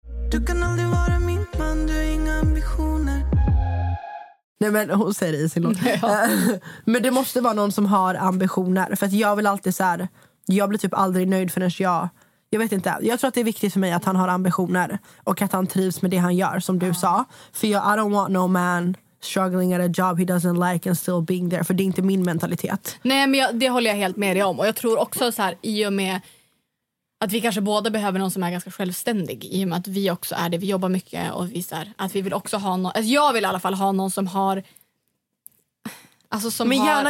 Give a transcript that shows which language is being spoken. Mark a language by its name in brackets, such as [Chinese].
[Swedish] Du kan aldrig vara min man, du har inga ambitioner. Nej, men hon säger det i sin låt. Men det måste vara någon som har ambitioner. För att jag vill alltid så här, jag blir typ aldrig nöjd förrän jag vet inte. Jag tror att det är viktigt för mig att han har ambitioner och att han trivs med det han gör, som du sa. För jag, [English] I don't want no man struggling at a job he doesn't like and still being there. [Swedish] För det är inte min mentalitet. Nej, men det håller jag helt med dig om. Och jag tror också så här, i och med att vi kanske båda behöver någon som är ganska självständig, i och med att vi också är det, vi jobbar mycket och visar att vi vill också ha någon, alltså jag vill i alla fall ha någon som har, alltså som, men gärna